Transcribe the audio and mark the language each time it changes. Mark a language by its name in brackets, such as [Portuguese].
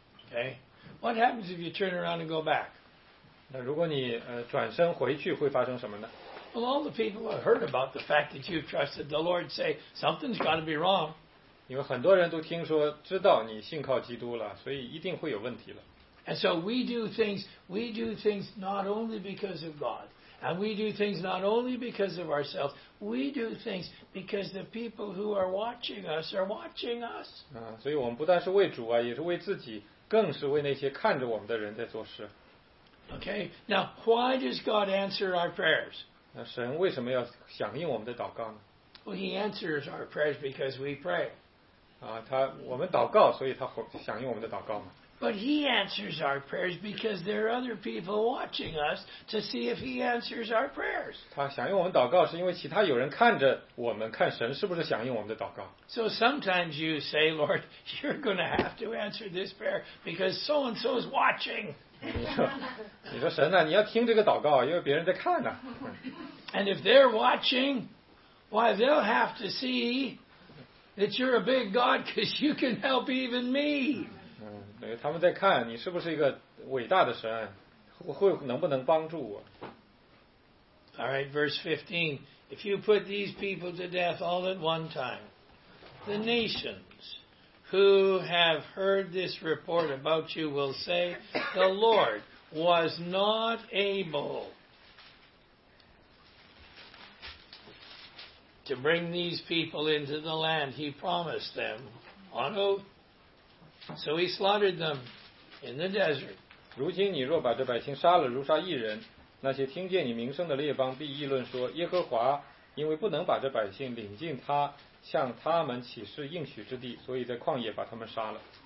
[English] Okay, what happens if you turn around and go back? [Chinese] 那如果你转身回去会发生什么呢？ [English] Well, all the people have heard about the fact that you've trusted the Lord say, something's got to be wrong. [Chinese] 因为很多人都听说知道你信靠基督了，所以一定会有问题了。 [English] And so we do things not only because of God, and we do things not only because of ourselves, we do things because the people who are watching us are watching us. [Chinese] 所以我们不但是为主啊，也是为自己，更是为那些看着我们的人在做事。 [English] Okay, now why does God answer our prayers? [Chinese] 那神为什么要响应我们的祷告呢？ [English] Well, he answers our prayers because we pray. [Chinese] 我们祷告，所以他响应我们的祷告嘛。 [English] But he answers our prayers because there are other people watching us to see if he answers our prayers. [Chinese] 他响应我们祷告是因为其他有人看着我们，看神是不是响应我们的祷告。 [English] So sometimes you say, Lord, you're going to have to answer this prayer because so-and-so is watching. [Chinese] 你说神啊，你要听这个祷告，因为别人在看啊。 [English] And if they're watching, why they'll have to see... That you're a big God because you can help even me. [Chinese] 他们在看你是不是一个伟大的神，会能不能帮助我。 [English] All right, verse 15. If you put these people to death all at one time, the nations who have heard this report about you will say, the Lord was not able to bring these people into the land he promised them on oath. So he slaughtered them in the desert. [Chinese] 如今你若把这百姓杀了如杀一人，那些听见你名声的列邦必议论说，耶和华因为不能把这百姓领进他向他们起誓应许之地，所以在旷野把他们杀了。